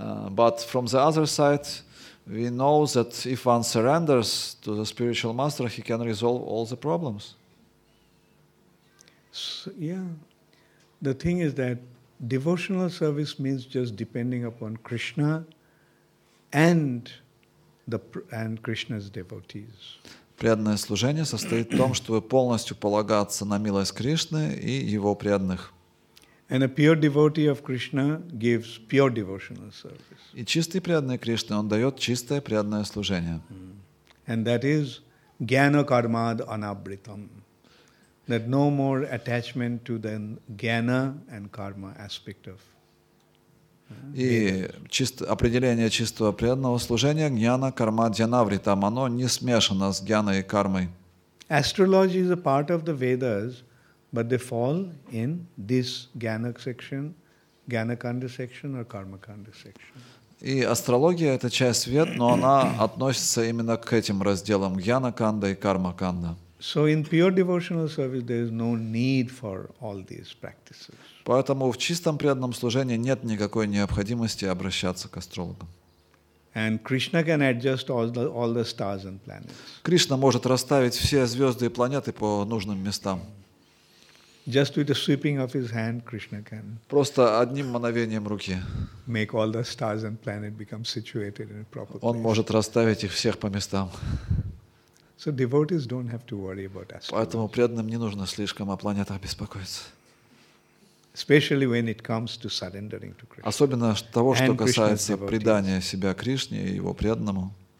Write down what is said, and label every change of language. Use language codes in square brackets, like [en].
[en] But from the other side, we know that if one surrenders to the spiritual master, he can resolve all the problems. So, yeah, the thing is that devotional service means just depending upon Krishna and Krishna's devotees. [ru] Преданное служение состоит в том, чтобы полностью полагаться на милость Кришны и его преданных. [en] And a pure devotee of Krishna gives pure devotional service. [ru] И чистый преданный Кришны, он дает чистое преданное служение. [en] And that is [sa] jnana karmad anabritam. [en] That no more attachment to the jnana and karma aspect of. [ru] И чисто, определение чистого преданного служения [sa] гьяна карма дьянавритам, [ru] оно не смешано с гьяной и кармой. [en] Astrology is a part of the Vedas, but they fall in this jnana section, jnana kanda section or karma kanda section. [ru] И астрология это часть Вед, но она относится именно к этим разделам гьяна канда и карма канда. [en] So in pure devotional service there is no need for all these practices. [ru] Поэтому в чистом преданном служении нет никакой необходимости обращаться к астрологам. [en] And Krishna can adjust all the stars and planets. [ru] Кришна может расставить все звезды и планеты по нужным местам. [en] Just with the sweeping of his hand, Krishna can. [ru] Просто одним мановением руки. [en] Make all the stars and planets become situated in a proper place. [ru] Он может расставить их всех по местам. [en] So devotees don't have to worry about astrology. [ru] Поэтому преданным не нужно слишком о планетах беспокоиться. [en] Especially when it comes to surrendering to Krishna. [ru] Особенно того, что касается предания себя Кришне и его преданному.